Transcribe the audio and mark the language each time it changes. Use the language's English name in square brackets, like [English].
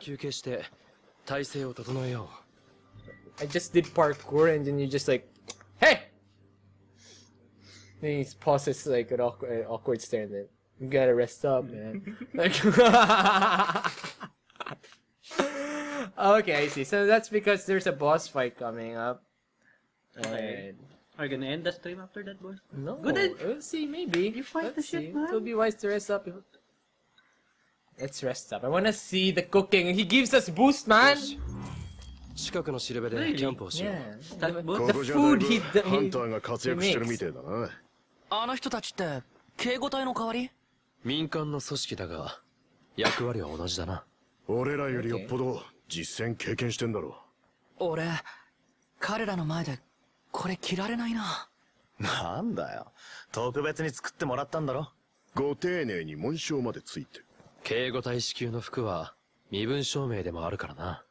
[Japanese] 休憩して体勢を整えよう。 [English] I just did parkour and then you just like, hey! Then he pauses like an awkward stare and then, you gotta rest up, man. Like, okay, I see. So that's because there's a boss fight coming up. Are you gonna end the stream after that boss? No. Good. We'll see, maybe. You fight Let's the see. Shit, man. It'll be wise to rest up. Let's rest up. I wanna see the cooking. He gives us boost, man! Really? Yeah. The food he makes. Those people are the replacement of the military but the role is the same. [Japanese] 俺らよりよっぽど実戦経験してんだろう。俺、彼らの前でこれ着られないな。なんだよ、特別に作ってもらったんだろ。ご丁寧に紋章までついて。警護隊支給の服は身分証明でもあるからな。